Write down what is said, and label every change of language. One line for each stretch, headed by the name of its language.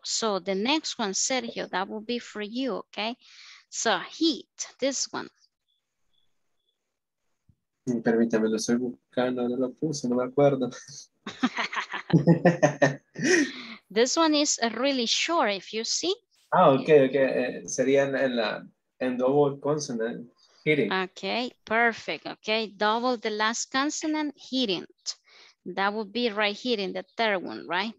English: So, the next one, Sergio, that will be for you, ok. So, heat, this one.
Spanish: Permítame, lo estoy buscando, no lo puse, no me acuerdo.
English: This one is really short, if you see. Ah, okay, okay.
Spanish: Sería en
English: double consonant, hitting. Okay, perfect. Okay, double the last consonant, hitting. That would be right here in the third one, right?